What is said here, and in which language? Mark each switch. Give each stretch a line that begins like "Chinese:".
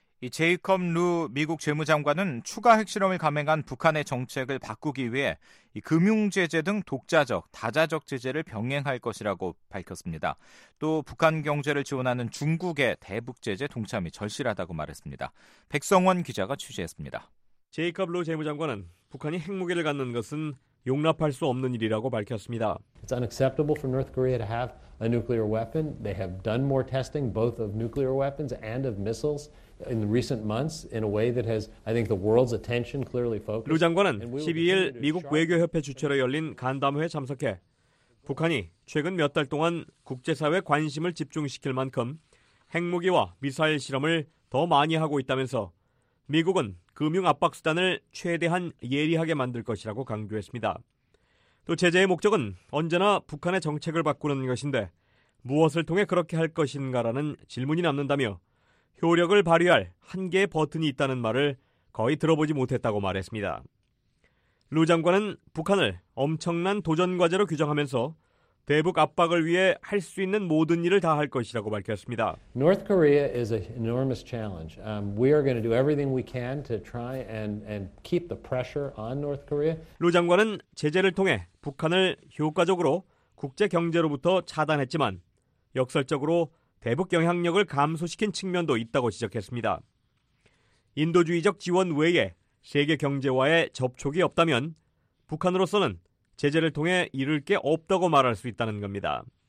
Korean: 제이컵 루 미국 재무장관은 추가 핵실험을 감행한 북한의 정책을 바꾸기 위해 금융제재 등 독자적, 다자적 제재를 병행할 것이라고 밝혔습니다. 또 북한 경제를 지원하는 중국의 대북제재 동참이 절실하다고 말했습니다. 백성원 기자가 취재했습니다. 제이컵 루 재무장관은 북한이 핵무기를 갖는 것은 용납할 수 없는 일이라고 밝혔습니다.
English: It's unacceptable for North Korea to have a nuclear weapon. They have done more testing both of nuclear weapons and of missiles in recent months in a way that has I think the world's attention clearly focused.
Korean: 루 장관은 12일 미국 외교협회 주최로 열린 간담회에 참석해 북한이 최근 몇 달 동안 국제사회 관심을 집중시킬 만큼 핵무기와 미사일 실험을 더 많이 하고 있다면서 미국은 금융 압박 수단을 최대한 예리하게 만들 것이라고 강조했습니다. 또 제재의 목적은 언제나 북한의 정책을 바꾸는 것인데 무엇을 통해 그렇게 할 것인가라는 질문이 남는다며 효력을 발휘할 한 개의 버튼이 있다는 말을 거의 들어보지 못했다고 말했습니다. 루 장관은 북한을 엄청난 도전 과제로 규정하면서 대북 압박을 위해 할 수 있는 모든 일을 다 할 것이라고 밝혔습니다.
English: North Korea is an enormous challenge. We are going to do everything we can to try and keep the pressure on North Korea.
Korean: 루 장관은 제재를 통해 북한을 효과적으로 국제 경제로부터 차단했지만 역설적으로 대북 영향력을 감소시킨 측면도 있다고 지적했습니다. 인도주의적 지원 외에 세계 경제와의 접촉이 없다면 북한으로서는 제재를 통해 이룰 게 없다고 말할 수 있다는 겁니다.